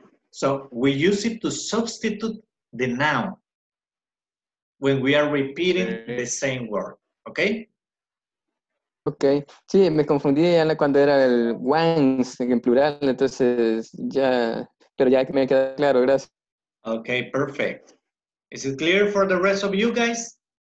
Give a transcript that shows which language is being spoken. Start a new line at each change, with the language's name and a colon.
English: So we use it to substitute the noun when we are repeating the same word. Okay. Okay.
Spanish: Sí, me confundí cuando era el ones en plural, entonces ya. Pero ya me queda claro, gracias.
English: Okay, perfect. Is it clear for the rest of you guys?